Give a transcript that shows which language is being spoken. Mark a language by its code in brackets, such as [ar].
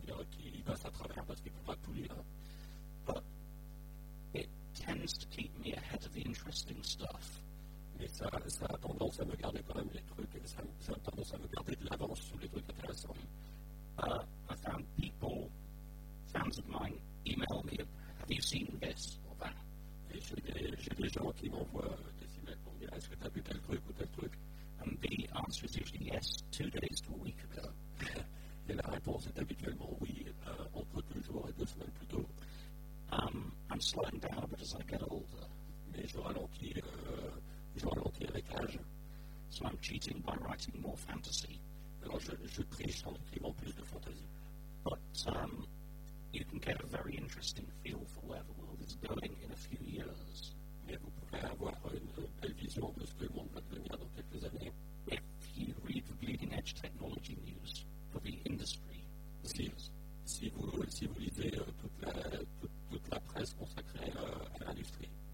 [fr] qui passe à travers parce qu'il ne peut pas tout lire. [en] But it tends to keep me ahead of the interesting stuff. [fr] Mais ça a tendance à me garder quand même les trucs, ça a tendance à me garder de l'avance sur les trucs intéressants. [en] I found people, fans of mine, email me, have you seen this or that? [fr] Et j'ai des gens qui m'envoient des emails pour me dire, est-ce que t'as vu tel truc ou tel truc? [en] And the answer is usually yes, 2 days to a week ago. [fr] Et la réponse est habituellement oui, entre 2 jours et 2 semaines plus tôt. [en] I'm slowing down, but as I get older. [fr] Mais je ralentis. Je ralentis avec l'âge. [en] So I'm cheating by writing more fantasy. [fr] Alors je triche en écrivant plus de fantasy. [en] But you can get a very interesting feel for where the world is going in a few years. [fr] Mais vous pouvez avoir une belle vision de ce que le monde va devenir dans quelques années. [en] If you read the bleeding edge technology news for the industry. [fr] Si vous lisez toute la presse consacrée à l'industrie.